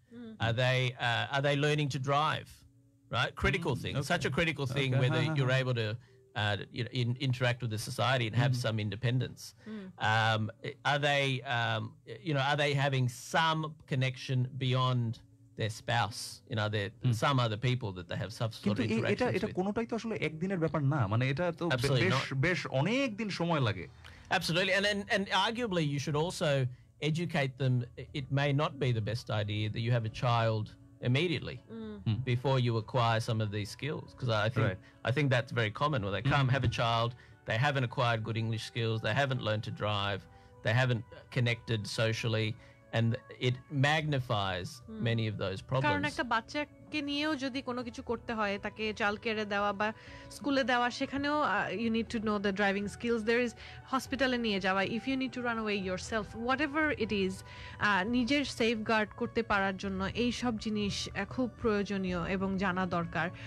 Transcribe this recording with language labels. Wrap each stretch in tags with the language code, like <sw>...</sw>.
<en>Mm-hmm. Are they learning to drive? Right, critical things. Okay. Such a critical thing. Okay. Whether you're able to interact with the society and have some independence. Mm. Are they having some connection beyond their spouse, some other people that they have some sort of interaction with?</en> <bn>এটা কোনোটাই তো আসলে একদিনের ব্যাপার না, মানে এটা তো বেশ অনেক দিন সময় লাগে.</bn> <en>Absolutely. And arguably, you should also educate them. It may not be the best idea that you have a child immediately before you acquire some of these skills. Because I think that's very common, where they come, have a child, they haven't acquired good English skills, they haven't learned to drive, they haven't connected socially, and it magnifies many of those problems.</en> <bn>কে নিয়েও যদি কোনো কিছু করতে হয়, তাকে চালকেরে দেওয়া বা স্কুলে দেওয়া, সেখানেও</bn> <en>You need to know the driving skills. There is</en> <bn>হসপিটালে নিয়ে যাওয়া,</bn> <en>if you need to run away yourself, whatever it is,</en> <bn>নিজের সেফ গার্ড করতে পারার জন্য এই সব জিনিস খুব প্রয়োজনীয় এবং জানা দরকার.</bn>